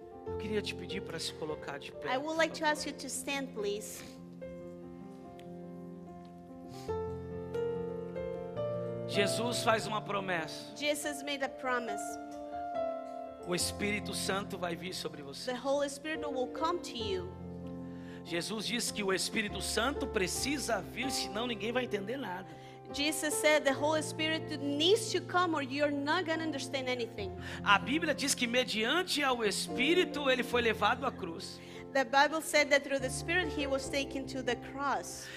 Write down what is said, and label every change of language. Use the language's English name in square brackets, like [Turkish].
[Portuguese] Eu queria te pedir para se colocar de pé. [English] I would like to ask you to stand, please. [Portuguese] Jesus faz uma promessa. [English] Jesus made a promise. [Portuguese] O Espírito Santo vai vir sobre você. [English] The Holy Spirit will come to you. [Portuguese] Jesus diz que o Espírito Santo precisa vir, senão ninguém vai entender nada. [English] Jesus said the Holy Spirit needs to come or you're not going to understand anything. [Portuguese] A Bíblia diz que mediante ao Espírito ele foi levado à cruz. [English] The Bible said that through the Spirit he was taken to the cross.